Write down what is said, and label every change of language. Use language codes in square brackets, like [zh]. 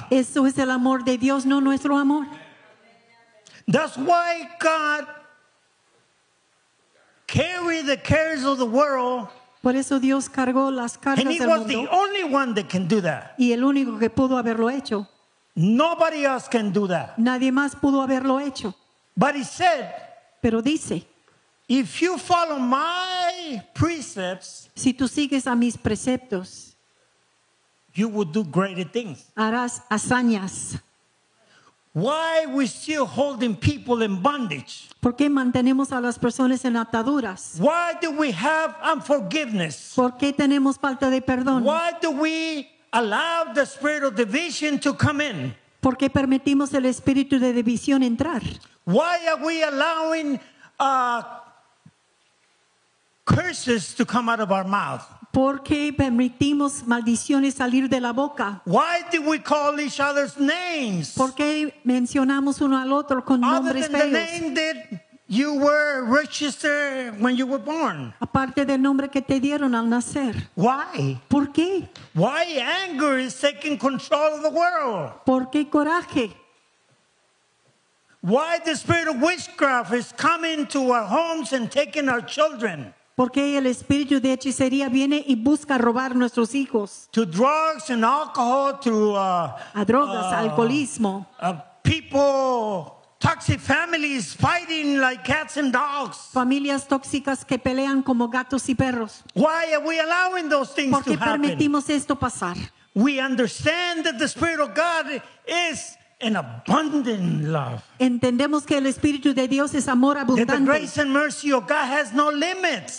[es] Eso es el amor de Dios, no nuestro amor. [en] That's why God carried the cares of the world. [es] Por eso Dios cargó las cargas del mundo. [en] And he was the only one that can do that. [es] Y el único que pudo haberlo hecho. [en] Nobody else can do that. [es] Nadie más pudo haberlo hecho. [en] But he said. [es] Pero dice. [en] If you follow my precepts. [es] Si tú sigues a mis preceptos. [en] You will do greater things. [es] Harás hazañas. [en] Why are we still holding people in bondage? [es] ¿Por qué mantenemos a las personas en ataduras? [en] Why do we have unforgiveness? [es] ¿Por qué tenemos falta de perdón? [en] Why do we allow the spirit of division to come in? [es] ¿Por qué permitimos el espíritu de división entrar? [en] Why are we allowing curses to come out of our mouth? [es] ¿Por qué permitimos maldiciones salir de la boca? [en] Why do we call each other's names? [es] ¿Por qué mencionamos uno al otro con [en] other [es] nombres [en] than [es] feos? [en] The name that you were registered when you were born. [es] Aparte del nombre que te dieron al nacer. [en] Why? [es] ¿Por qué? [en] Why anger is taking control of the world? [es] ¿Por qué coraje? [en] Why the spirit of witchcraft is coming to our homes and taking our children? [es] Porque el espíritu de hechicería viene y busca robar nuestros hijos. [en] To drugs and alcohol, to [es] a drogas, alcoholismo. [en] People, toxic families fighting like cats and dogs. [es] Familias tóxicas que pelean como gatos y perros. [en] Why are we allowing those things to happen? [es] ¿Por qué permitimos esto pasar? [en] We understand that the spirit of God is an abundant love. [es] Entendemos que el espíritu de Dios es amor abundante. [en] That the grace and mercy of God has no limits.